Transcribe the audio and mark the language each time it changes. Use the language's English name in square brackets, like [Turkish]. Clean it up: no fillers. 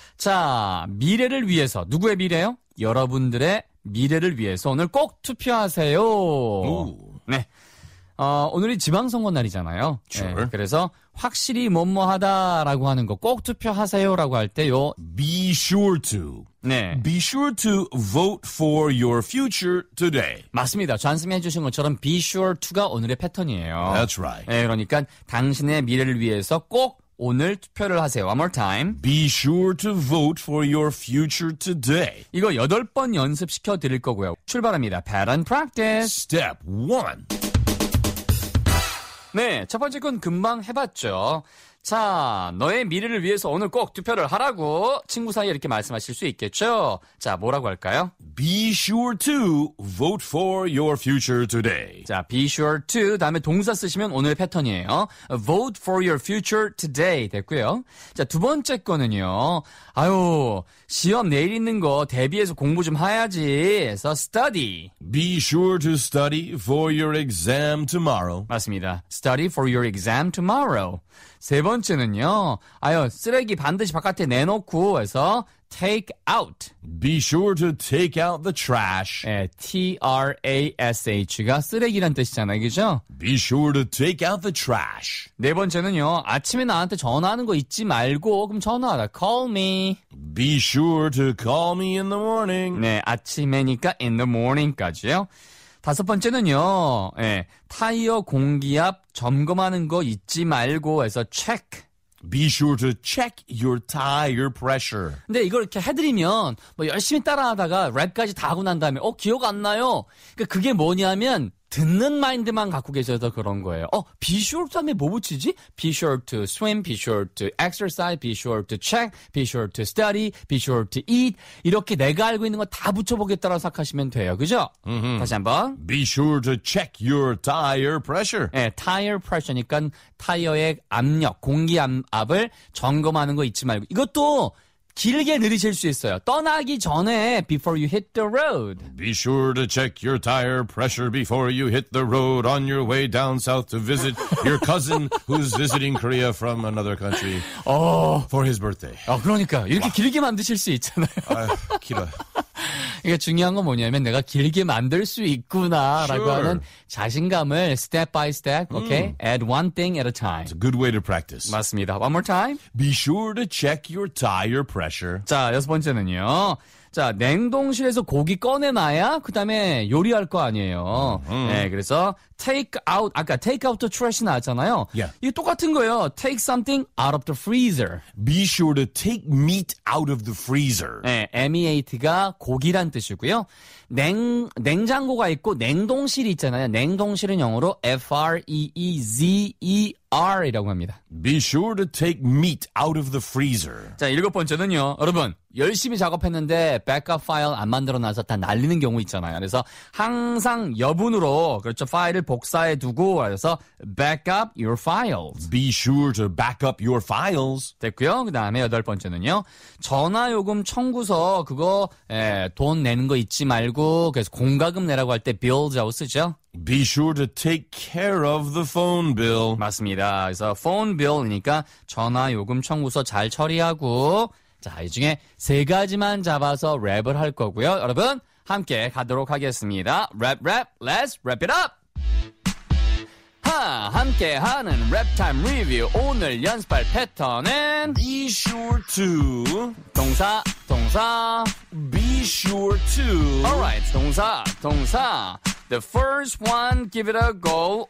[Korean] 자, 미래를 위해서. 누구의 미래요? 여러분들의 미래를 위해서 오늘 꼭 투표하세요. 네. 오늘이 지방선거 날이잖아요. [English] Sure. [Korean] 네, 그래서 확실히 뭐뭐하다라고 하는 거 꼭 투표하세요라고 할 때요. [English] Be sure to. [Korean] 네. [English] Be sure to vote for your future today. [Korean] 맞습니다. 전승해 주신 것처럼 be sure to가 오늘의 패턴이에요. [English] That's right. [Korean] 네, 그러니까 당신의 미래를 위해서 꼭 오늘 투표를 하세요. [English] One more time. Be sure to vote for your future today. [Korean] 이거 여덟 번 연습시켜 드릴 거고요. 출발합니다. [English] Pattern practice. Step one. [Korean] 네, 첫 번째 건 금방 해봤죠. 자, 너의 미래를 위해서 오늘 꼭 투표를 하라고 친구 사이에 이렇게 말씀하실 수 있겠죠? 자, 뭐라고 할까요? [English] Be sure to vote for your future today. [Korean] 자, be sure to, 다음에 동사 쓰시면 오늘의 패턴이에요. [English] Vote for your future today [Korean] 됐고요. 자, 두 번째 거는요. 아유, 시험 내일 있는 거 대비해서 공부 좀 해야지 해서 study. [English] Be sure to study for your exam tomorrow. [Korean] 맞습니다. [English] Study for your exam tomorrow. [Korean] 세 번째는요. 아유, 쓰레기 반드시 바깥에 내놓고 해서 take out. [English] Be sure to take out the trash. [Korean] 네, T-R-A-S-H가 쓰레기란 뜻이잖아요. 그죠? [English] Be sure to take out the trash. [Korean] 네 번째는요. 아침에 나한테 전화하는 거 잊지 말고 그럼 전화하라. [English] Call me. Be sure to call me in the morning. [Korean] 네, 아침에니까 [English] in the morning [Korean] 까지요. 다섯 번째는요. 예, 타이어 공기압 점검하는 거 잊지 말고 해서 check. [English] Be sure to check your tire pressure. [Korean] 근데 이걸 이렇게 해드리면 뭐 열심히 따라하다가 랩까지 다 하고 난 다음에 기억 안 나요. 그러니까 그게 뭐냐면 듣는 마인드만 갖고 계셔서 그런 거예요. Be sure to 하면 뭐 붙이지? [English] Be sure to swim, be sure to exercise, be sure to check, be sure to study, be sure to eat. [Korean] 이렇게 내가 알고 있는 거 다 붙여보겠다라고 생각하시면 돼요. 그죠? Mm-hmm. 다시 한번. [English] Be sure to check your tire pressure. [Korean] 네, tire pressure니까 타이어의 압력, 공기 압을 점검하는 거 잊지 말고. 이것도 길게 느리실 수 있어요. 떠나기 전에 [English] before you hit the road. Be sure to check your tire pressure before you hit the road on your way down south to visit your cousin who's visiting Korea from another country for his birthday. [Korean] 그러니까 이렇게 길게 만드실 수 있잖아요. 길어요. 중요한 건 뭐냐면 내가 길게 만들 수 있구나라고 [English] sure. [Korean] 하는 자신감을 [English] step by step, okay? Add one thing at a time. It's a good way to practice. [Korean] 맞습니다. [English] One more time. Be sure to check your tire pressure. Pressure. [Korean] 자, 여섯 번째는요. 자, 냉동실에서 고기 꺼내놔야 그 다음에 요리할 거 아니에요. Mm-hmm. 네, 그래서 take out, 아까 [English] take out the trash [Korean] 나왔잖아요. [English] Yeah. [Korean] 이게 똑같은 거예요. [English] Take something out of the freezer. Be sure to take meat out of the freezer. [Korean] 네, M-E-A-T가 고기란 뜻이고요. 냉장고가 있고 냉동실이 있잖아요. 냉동실은 영어로 F-R-E-E-Z-E-R. R이라고 합니다. [English] Be sure to take meat out of the freezer. [Korean] 자, 일곱 번째는요. 여러분, 열심히 작업했는데 백업 파일 안 만들어놔서 다 날리는 경우 있잖아요. 그래서 항상 여분으로 그렇죠 파일을 복사해 두고 그래서 [English] backup your files. Be sure to backup your files. [Korean] 됐고요. 그다음에 여덟 번째는요. 전화요금 청구서 그거 돈 내는 거 잊지 말고 그래서 공과금 내라고 할 때 bills라고 쓰죠. [English] Be sure to take care of the phone bill. [Korean] 맞습니다. 그래서 phone bill이니까 전화요금 청구서 잘 처리하고 자, 이 중에 세 가지만 잡아서 랩을 할 거고요. 여러분, 함께 가도록 하겠습니다. [English] 랩, 랩, let's wrap it up! [Korean] 함께 하는 랩타임 리뷰. 오늘 연습할 패턴은 [English] Be sure to [Korean] 동사, 동사 [English] Be sure to Alright, [Korean] 동사, 동사 [English] The first one, give it a go.